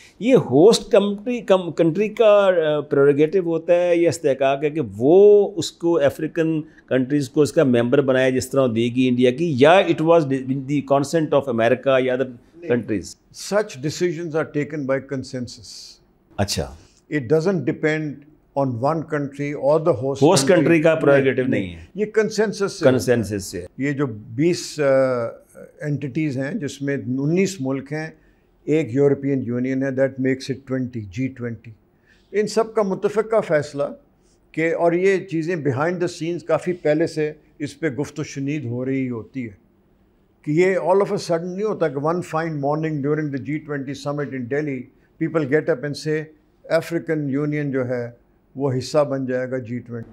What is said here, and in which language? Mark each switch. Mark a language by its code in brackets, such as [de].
[ur] یہ host country کا prerogative ہوتا ہے یہ استحقاق ہے کہ وہ اس کو افریقن کنٹریز کو اس کا ممبر بنائے جس طرح دے گی انڈیا کی، یا [en] It was the consent of America یا other countries? Such decisions are taken by consensus. [ur] اچھا، [en] it doesn't depend on one country or the [ur] host country کا prerogative نہیں ہے، یہ consensus سے. یہ جو 20 entities ہیں جس میں 19 ملک ہیں، ایک یورپین یونین ہے، [en] that makes it 20 [ur] G20. ان سب کا متفقہ فیصلہ کہ، اور یہ چیزیں بیہائنڈ دا سینس کافی پہلے سے اس پہ گفت و شنید ہو رہی ہوتی ہے، کہ یہ آل آف اے سڈن نہیں ہوتا کہ [en] one fine morning during the G20 summit in Delhi people get up and say [ur] افریقن یونین جو ہے وہ حصہ بن جائے گا G20.